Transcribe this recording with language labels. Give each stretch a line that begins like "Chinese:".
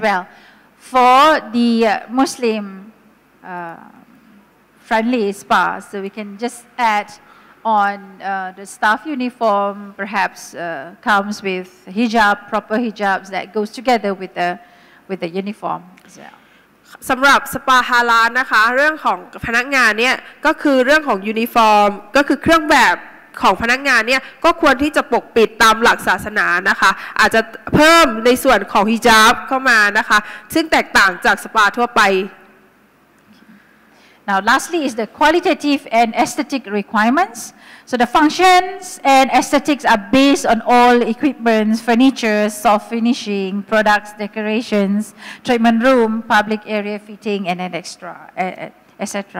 English: Well, for the Muslim friendly spa, so we can just add on the staff uniform, perhaps comes with hijab, proper hijabs that goes together with the uniform as well.
Thai: สำหรับสปาฮาลาลนะคะเรื่องของพนักงานเนี่ยก็คือเรื่องของยูนิฟอร์มก็คือเครื่องแบบของพนักงานเนี่ยก็ควรที่จะปกปิดตามหลักศาสนานะคะอาจจะเพิ่มในส่วนของฮิญาบเข้ามานะคะซึ่งแตกต่างจากสปาทั่วไป
English: Now lastly is the qualitative and aesthetic requirements. So the functions and aesthetics are based on all equipment, furniture, soft finishing, products, decorations, treatment room, public area fitting and extra etc.